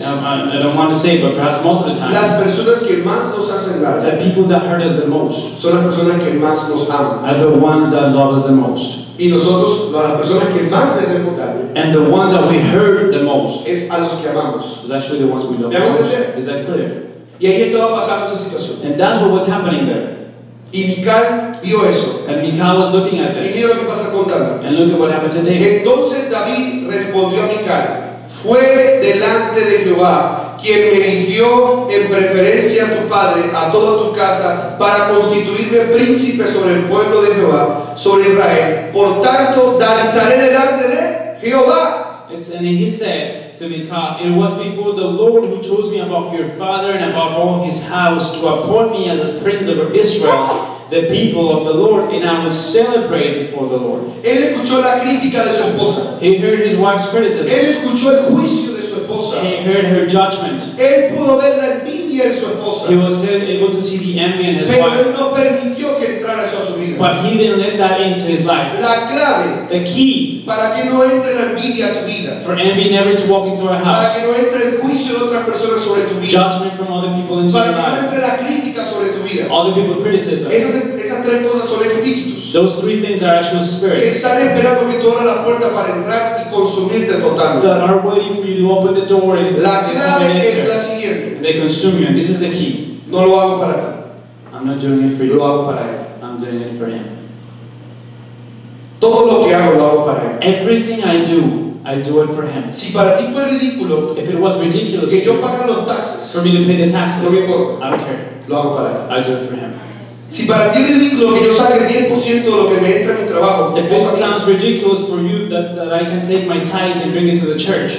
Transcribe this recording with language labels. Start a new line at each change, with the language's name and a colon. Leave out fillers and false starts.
English: I don't want to say, but perhaps most of the time,
Spanish: las personas que más nos hacen daño,
English: the people that hurt us the most,
Spanish: son las personas que más nos aman,
English: are the ones that love us the most.
Spanish: Y nosotros, las personas que más les hemos dado,
English: and the ones that we hurt the most,
Spanish: es a los que amamos,
English: is actually the ones we love the most. Is that clear?
Spanish: Y ahí estaba pasando esa situación.
English: And that's what was happening there.
Spanish: Y Mical vio eso.
English: And Mical was looking at this.
Spanish: Y mira lo que pasa con David.
English: And look at what happened to David.
Spanish: Entonces David respondió a Mical: fue delante de Jehová quien me eligió en preferencia a tu padre, a toda tu casa, para constituirme príncipe sobre el pueblo de Jehová, sobre Israel. Por tanto, danzaré delante de Jehová.
English: And he said to Mical, it was before the Lord who chose me above your father and above all his house to appoint me as a prince over Israel, the people of the Lord, and I was celebrated before the Lord.
Spanish: Él escuchó la crítica de su esposa.
English: He heard his wife's criticism.
Spanish: Él escuchó el juicio de su esposa.
English: He heard her judgment.
Spanish: Él pudo ver la envidia de su esposa.
English: He was able to see the envy in his
Spanish: pero
English: wife.
Spanish: Él no permitió que entrara eso a su vida.
English: But he didn't let that into his life.
Spanish: La clave,
English: the key,
Spanish: para que no entre la envidia a tu vida,
English: for envy never to walk into our house,
Spanish: para que no entre el juicio de otras personas sobre tu vida,
English: judgment from other people into your life,
Spanish: para que no entre la crítica sobre tu vida,
English: other people's criticism.
Spanish: Esas tres cosas son espíritus.
English: Those three things are actual spirits.
Spanish: Están esperando que tú abras la puerta para entrar y consumirte totalmente.
English: That are waiting for you to open the door and
Spanish: la clave es la siguiente.
English: They consume you. This is the key.
Spanish: No lo hago para ti.
English: I'm not doing it for you.
Spanish: Lo hago para él.
English: I'm doing it for him.
Spanish: Todo lo que hago, lo hago para él.
English: Everything I do it for him.
Spanish: Si para ti fue ridículo,
English: if it was ridiculous,
Spanish: que yo pague los taxes,
English: for me to pay the taxes,
Spanish: no me importa.
English: I don't care.
Spanish: Lo hago para él.
English: I do it for him.
Spanish: Si para ti es ridículo que yo saque 10% de lo que me entra en el trabajo,
English: if it sounds ridiculous for you that I can take my tithe and bring it to the church,